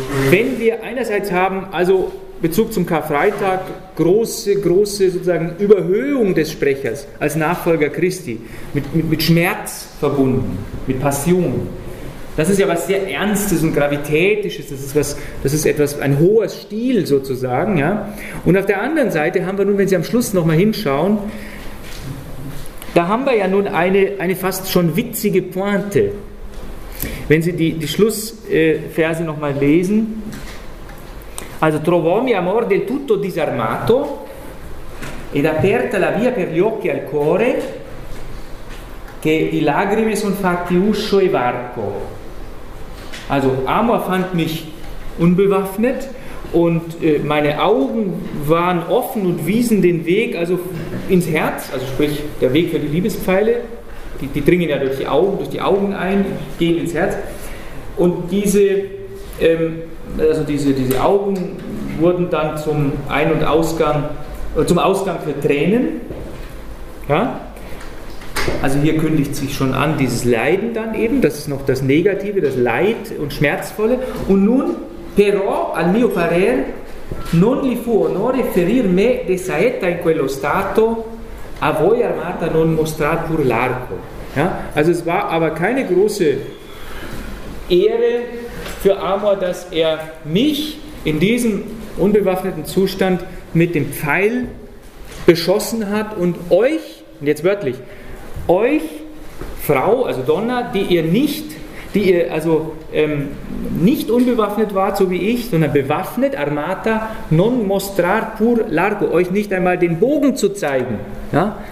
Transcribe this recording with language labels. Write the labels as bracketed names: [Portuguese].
[German] Wenn wir einerseits haben, also Bezug zum Karfreitag, große sozusagen Überhöhung des Sprechers als Nachfolger Christi, mit Schmerz verbunden, mit Passion. Das ist ja was sehr Ernstes und Gravitätisches, das ist etwas, ein hoher Stil sozusagen. Ja. Und auf der anderen Seite haben wir nun, wenn Sie am Schluss nochmal hinschauen, da haben wir ja nun eine fast schon witzige Pointe. Wenn Sie die Schlussverse nochmal lesen, also [Italian] trovomi amor del tutto disarmato ed aperta la via per gli occhi al cuore che i lagrime son fatti uscio e varco. [German] Also Amor fand mich unbewaffnet und meine Augen waren offen und wiesen den Weg also ins Herz, also sprich der Weg für die Liebespfeile, die dringen ja durch die Augen ein, gehen ins Herz und diese Augen wurden dann zum Ein- und Ausgang, zum Ausgang für Tränen. Ja? Also hier kündigt sich schon an, dieses Leiden dann eben, das ist noch das Negative, das Leid und Schmerzvolle. Und nun, [Italian] però, al mio parer, non li fu onore ferir me de saetta in quello stato, a voi armata non mostrar pur l'arco. [German] Ja? Also es war aber keine große Ehre für Amor, dass er mich in diesem unbewaffneten Zustand mit dem Pfeil beschossen hat und euch, und jetzt wörtlich, euch Frau, also Donna, die ihr nicht unbewaffnet wart, so wie ich, sondern bewaffnet, armata, [Italian] non mostrar pur largo, [German] euch nicht einmal den Bogen zu zeigen. Ja?